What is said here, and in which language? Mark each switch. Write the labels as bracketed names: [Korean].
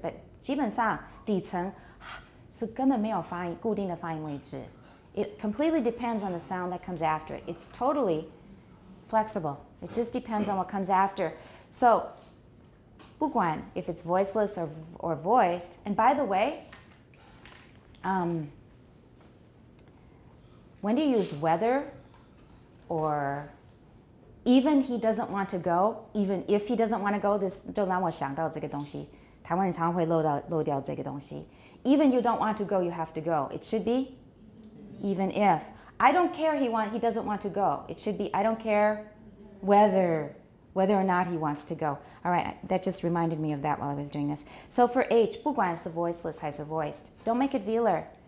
[English] But [Chinese] 基本上底层是根本没有发音固定的发音位置。 [English] It completely depends on the sound that comes after it. It's totally flexible. It just depends on what comes after. So [Chinese] 不管 [English] if it's voiceless or voiced. And by the way, when do you use whether or even he doesn't want to go, even if he doesn't want to go, this [Chinese] 就让我想到这个东西。台湾人常会漏掉这个东西。 [English] Even you don't want to go, you have to go. It should be even if. I don't care he doesn't want to go. It should be I don't care whether or not he wants to go. All right, that just reminded me of that while I was doing this. So for H, [Chinese] 不管是 [English] voiceless [Chinese] 还是 [English] voiced, don't make it velar.